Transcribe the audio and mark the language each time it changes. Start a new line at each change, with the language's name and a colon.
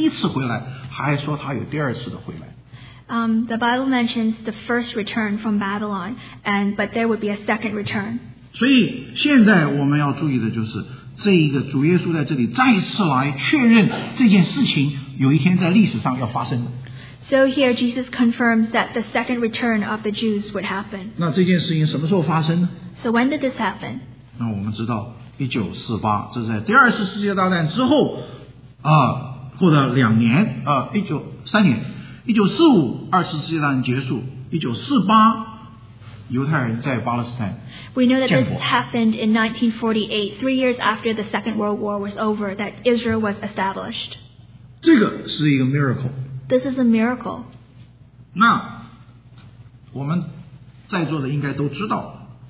Chinese: 对，第一次那是指他们从巴比伦回来，那是第一次。在旧约里面，不但说有他的第一次回来，还说他有第二次的回来。
English: The Bible mentions the first return from Babylon, but there would be a second return.
Chinese: 所以现在我们要注意的就是，这一个主耶稣在这里再次来确认这件事情，有一天在历史上要发生的。
English: So here Jesus confirms that the second return of the Jews would happen.
Chinese: 那这件事情什么时候发生呢?
English: So when did this happen?
Chinese: 那我们知道 1948 这是在第二次世界大战之后过了两年 1943年 1945 二次世界大战结束 1948 犹太人在巴勒斯坦建国。
English: We know that this happened in 1948 3 years after the Second World War was over that Israel was established.
Chinese: 这个是一个 miracle.
English: This is a miracle.
Chinese: 那我们在座的应该都知道。